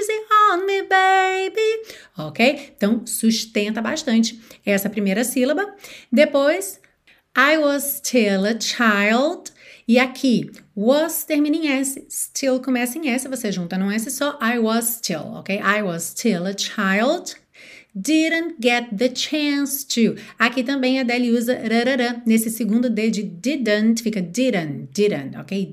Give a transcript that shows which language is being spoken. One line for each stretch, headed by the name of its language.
English: on me, baby.
Portuguese: Ok? Então, sustenta bastante essa primeira sílaba.
English: Depois, I was still a child.
Portuguese: E aqui, was termina em S, still começa em S, você junta num S só,
English: I was still,
Portuguese: ok?
English: I was still a child, didn't get the chance to.
Portuguese: Aqui também a Adele usa rarara, nesse segundo D de didn't, fica didn't, ok?